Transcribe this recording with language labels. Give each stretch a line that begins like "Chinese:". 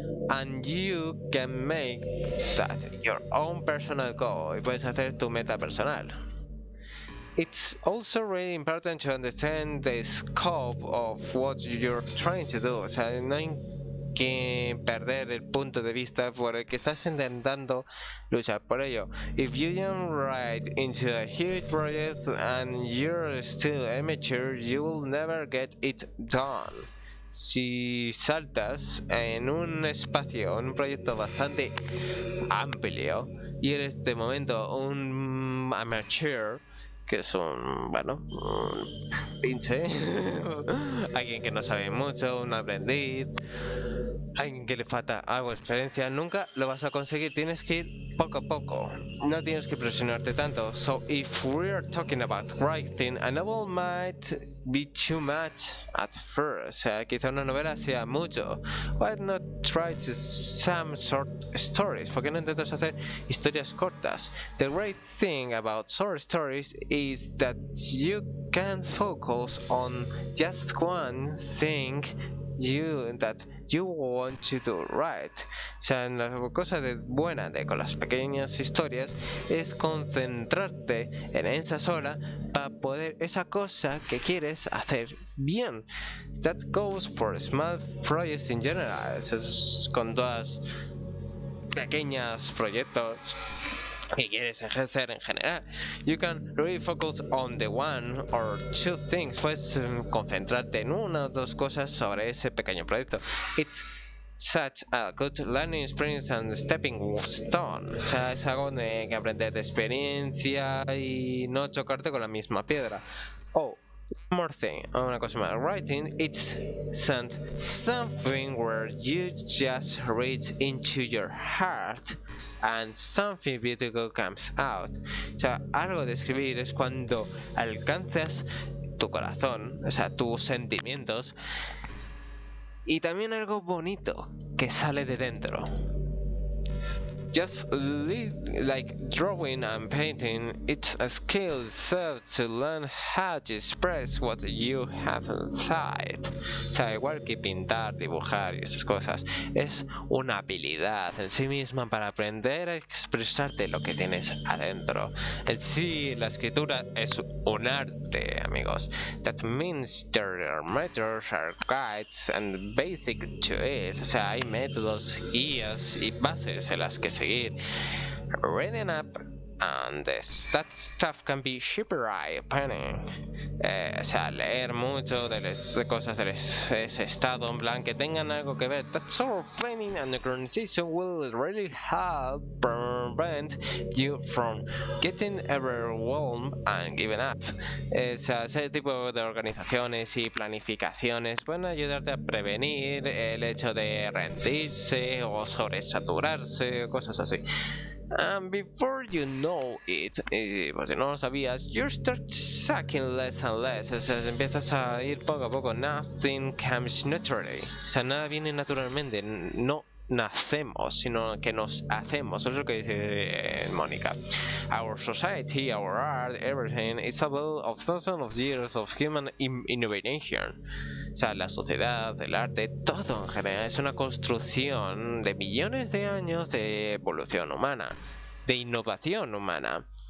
English: And you can make that your own personal goal.
Spanish: Y puedes hacer tu meta personal.
English: It's also really important to understand the scope of what you're trying to do.
Spanish: O sea, no hay que perder el punto de vista por el que estás intentando luchar por ello.
English: If you jump right into a huge project and you're still amateur, you will never get it done.
Spanish: Si saltas en un espacio, en un proyecto bastante amplio, y eres de momento un amateur, que es un, bueno, un pinche, alguien que no sabe mucho, un aprendiz, alguien que le falta algo de experiencia, nunca lo vas a conseguir. Tienes que ir poco a poco, no tienes que presionarte tanto.
English: So if we are talking about writing, a novel might be too much at first.
Spanish: O sea, quizá una novela sea mucho.
English: Why not try to some short stories?
Spanish: ¿Por qué no intentas hacer historias cortas?
English: The great thing about short stories is that you can focus on just one thing you want to do right.
Spanish: O sea, la cosa de buena de con las pequeñas historias es concentrarte en esa sola para poder esa cosa que quieres hacer bien.
English: That goes for small projects in general.
Spanish: Eso es con todas pequeñas proyectos que quieres ejercer en general.
English: You can really focus on the one or two things.
Spanish: Puedes concentrarte en una o dos cosas sobre ese pequeño proyecto.
English: It's such a good learning experience and stepping stone.
Spanish: O sea, es algo de que aprender de experiencia y no chocarte con la misma piedra.
English: Oh, one more thing,
Spanish: una cosa más.
English: Writing, it's something where you just reach into your heart and something beautiful comes out.
Spanish: O sea, algo de escribir es cuando alcanzas tu corazón, o sea, tus sentimientos, y también algo bonito que sale de dentro. Just like drawing and painting, it's a skill itself to learn how to express what you have inside. O sea, igual que pintar, dibujar y esas cosas, es una habilidad en sí misma para aprender a expresarte lo que tienes adentro. En sí, la escritura es un arte, amigos.
English: That means there are methods, are guides and basic to it.
Spanish: O sea, hay métodos, guías y bases en las que seguir.
English: Reading up And that stuff can be super eye-opening.
Spanish: O sea, leer mucho de cosas de ese estado en plan que tengan algo que ver.
English: That's all planning and organization will really help prevent you from getting overwhelmed and giving up.
Spanish: O sea, ese tipo de organizaciones y planificaciones pueden ayudarte a prevenir el hecho de rendirse o sobresaturarse o cosas así.
English: And before you know it,
Spanish: pues si no lo sabías,
English: you start sucking less and less.
Spanish: O sea, empiezas a ir poco a poco.
English: Nothing comes naturally.
Spanish: O sea, nada viene naturalmente. No nacemos, sino que nos hacemos. Eso es lo que dice Mónica.
English: Our society, our art, everything, it's a bill of thousands of years of human innovation.
Spanish: O sea, la sociedad, el arte, todo en general es una construcción de millones de años de evolución humana, de innovación humana.